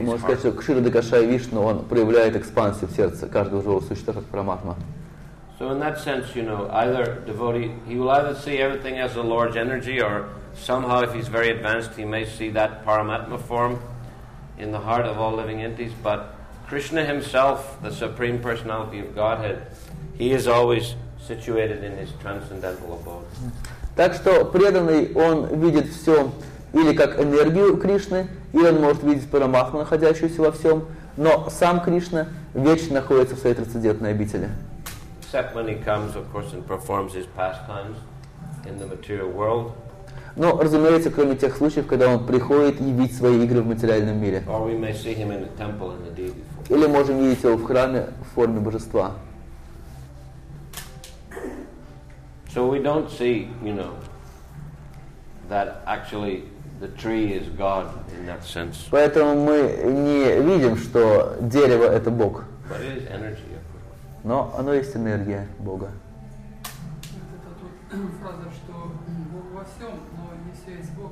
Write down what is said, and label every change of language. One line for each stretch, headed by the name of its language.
Russian: Можно сказать, что Ширадакшая Вишну он проявляет экспансию в сердце каждого живого существа, как Параматма.
English: So in that sense, you know, either devotee he will either see everything as a large energy, or somehow, if he's very advanced, he may see that Paramatma form in the heart of all living entities. But Krishna himself, the supreme personality of Godhead, he is always situated in his transcendental abode.
Russian: Так что преданный, он видит все или как энергию Кришны, или он может видеть Параматму, находящуюся во всем, но сам Кришна вечно находится в своей трансцендентной обители.
English: Except when he comes, of course, and performs his pastimes in the material world.
Russian: Но, разумеется, кроме тех случаев, когда он приходит явить свои игры в материальном мире.
English: Or we may see him in a temple in the deity form.
Russian: Или можем видеть его в храме в форме божества.
English: So we don't see, you know, that actually the tree is God in that sense.
Russian: Поэтому мы не видим, что дерево это Бог.
English: But it is energy, of course.
Russian: Но оно есть энергия Бога. Это тут фраза, что Бог во всем, но не все есть Бог.